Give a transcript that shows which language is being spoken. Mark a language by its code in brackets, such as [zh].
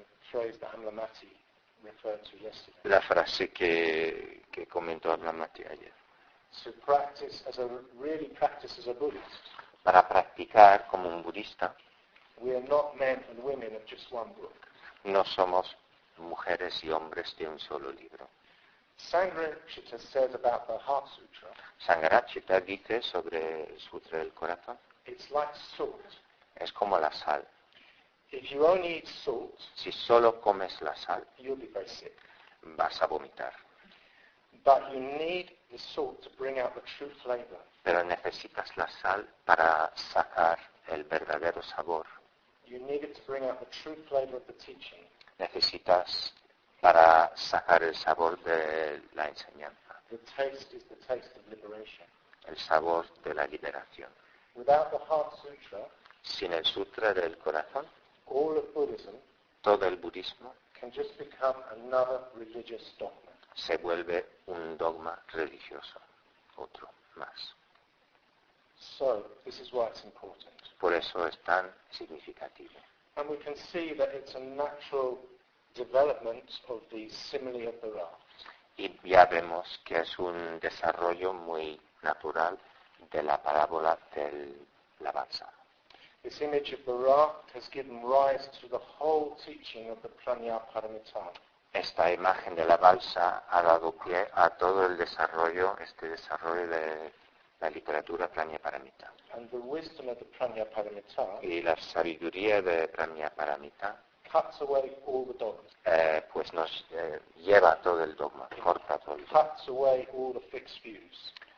[en] Phrase that Amlamati referred to yesterday. [es] La frase que comentó Amlamati ayer. [en] To practice as a really practice as a Buddhist. [es] Para practicar como un budista. [en] We are not men and women of just one book. [es] No somos mujeres y hombres de un solo libro. [en] Sangharakshita says about the Heart Sutra. [es] Sangharakshita dice sobre el Sutra del Corazón. [en] It's like salt. [es] Es como la sal. [en] If you only eat salt, [es] si solo comes la sal, [en] you'll be very sick. [es] Vas a vomitar. [en] But you need the salt to bring out the true flavor. [es] Pero necesitas la sal para sacar el verdadero sabor. [en] You need it to bring out the true flavor of the teaching. [es] Necesitas para sacar el sabor de la enseñanza. [en] The taste is the taste of liberation. [es] El sabor de la liberación. [en] Without the Heart Sutra, [es] sin el Sutra del Corazón, [en] all of Buddhism, [es] todo el budismo, [en] can just become another religious dogma. [es] Se vuelve un dogma religioso, otro más. [en] So, this is why it's important. [es] Por eso es tan significativo. [en] And we can see that it's a natural development of the simile of the raft. [es] Y ya vemos que es un desarrollo muy natural de la parábola del la balsa. [en] This image of the raft has given rise to the whole teaching of the Pranayaparamita. [es] Esta imagen de la balsa ha dado pie a todo el desarrollo, este desarrollo de la literatura Pranayaparamita. [en] And the wisdom of the Pranayaparamita. [es] Y la sabiduría de Pranayaparamita. [en] Cuts away all the dogmas. [es] Pues nos lleva todo el dogma, corta todo el dogma. [en] Cuts away all the fixed views.